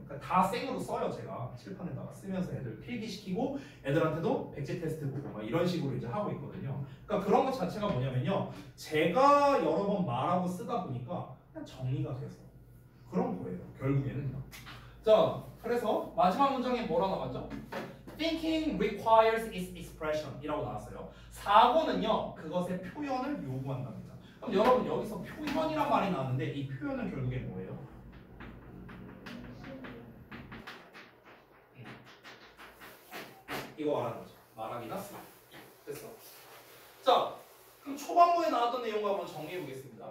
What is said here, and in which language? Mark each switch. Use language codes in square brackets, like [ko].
[ko] 그러니까 다 생으로 써요. 제가 칠판에다가 쓰면서 애들 필기시키고 애들한테도 백지 테스트 보고 막 이런 식으로 이제 하고 있거든요. 그러니까 그런 것 자체가 뭐냐면요 제가 여러 번 말하고 쓰다 보니까 그냥 정리가 돼서 그런 거예요 결국에는요. 자 그래서 마지막 문장에 뭐라 나왔죠? [en] Thinking requires its expression [ko] 이라고 나왔어요. 사고는요 그것의 표현을 요구한답니다. 그럼 여러분 여기서 표현이란 말이 나왔는데 이 표현은 결국에 뭐예요? 이거 말하는거죠. 말하기나 쓰기. 됐어. 자 그럼 초반부에 나왔던 내용과 한번 정리해보겠습니다.